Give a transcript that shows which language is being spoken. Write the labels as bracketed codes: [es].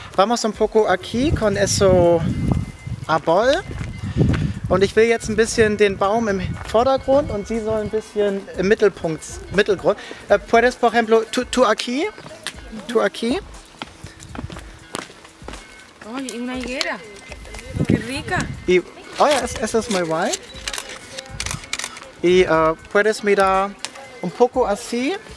[es] Vamos un poco aquí con eso a bol. [de] Und ich will jetzt ein bisschen den Baum im Vordergrund und sie soll ein bisschen im Mittelpunkt, Mittelgrund. [es] Puedes, por ejemplo, tu aquí. Tu aquí. Oh, una higuera. Qué rica. Y, oh ja, eso es muy guay. Y puedes mirar un poco así.